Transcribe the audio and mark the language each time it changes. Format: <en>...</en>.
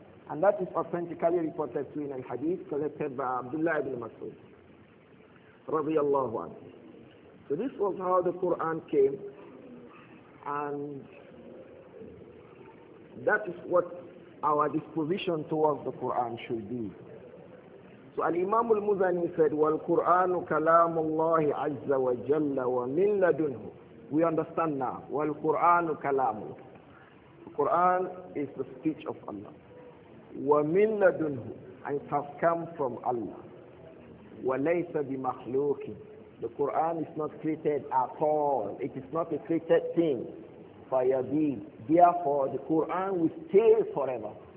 <en>And that is authentically reported to in al-Hadith collected by Abdullah ibn Mas'ud radiyallahu anhu. So this was how the Quran came, and that is what our disposition towards the Quran should be. So al-Imam al-Muzani said,</en> <ar>وَالْقُرْآنُ كَلَامُ اللَّهِ عَزَّ وَجَلَّ وَمِنْ لَدُنْهُ.</ar> <en>We understand now,</en> <ar>وَالْقُرْآنُ كَلَامُ.</ar> <en>The Quran is the speech of Allah.</en> <ar>وَمِنْ لَدُنْهُ,</ar> <en>and it has come from Allah.</en> <ar>وَلَيْسَ بِمَخْلُوكٍ,</ar> <en>the Quran is not created at all. It is not a created thing.</en> <ar>فَيَبِيدْ,</ar> <en>therefore the Quran will stay forever.</en>